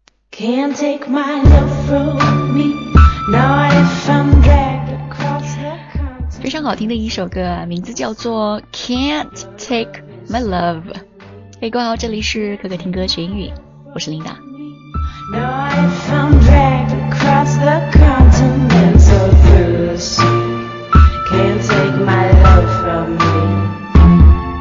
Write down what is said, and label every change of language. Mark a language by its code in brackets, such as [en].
[en] Can't take my love from me. Now if I'm dragged across the country. [zh] 非常好听的一首歌，名字叫做 Can't Take My Love。 Hey, 各位好，这里是可可听歌学英语，我是琳达。 [en] Now if I'm dragged across the continents or through the sea. Can't take my love from me.